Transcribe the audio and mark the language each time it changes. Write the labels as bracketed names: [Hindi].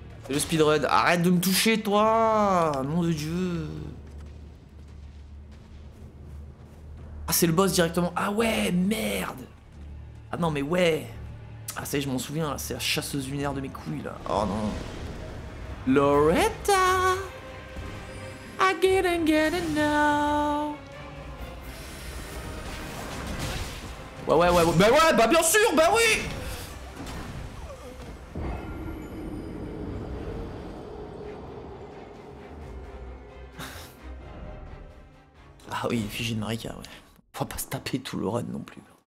[French] Le speedrun, arrête de me toucher, toi! Nom de Dieu! Ah, c'est le boss directement! Ah ouais, merde! Ah non, mais ouais. Ah, ça y est, je m'en souviens, là. C'est la chasseuse lunaire de mes couilles, là. Oh non. [English] Loretta, I didn't get it now. [French] Ouais, bah ouais, bah bien sûr, bah oui. Ah oui, Fijin Marika, ouais. On va pas se taper tout le run non plus.